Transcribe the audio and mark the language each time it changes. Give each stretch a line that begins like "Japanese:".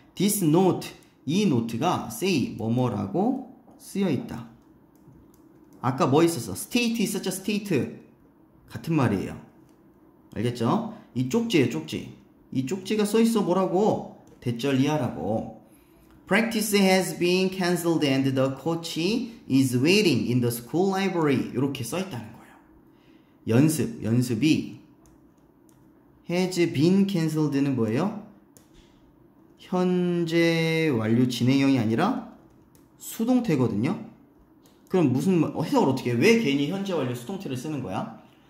English: This note,
Korean: 이 노트가 say 뭐뭐라고 쓰여 있다. 아까 뭐 있었어? State 있었죠? State 같은 말이에요. 알겠죠? 이 쪽지에 쪽지. 이 쪽지가 써 있어 뭐라고? 대절 이하라고.
English: Practice has been cancelled and the coach is waiting in the school library.
Korean: 이렇게 써 있다는 거예요. 연습이 Has been cancelled는 뭐예요? 현재 완료 진행형이 아니라 수동태거든요. 그럼 무슨 해석을 어떻게 해? 왜 괜히 현재 완료 수동태를 쓰는 거야?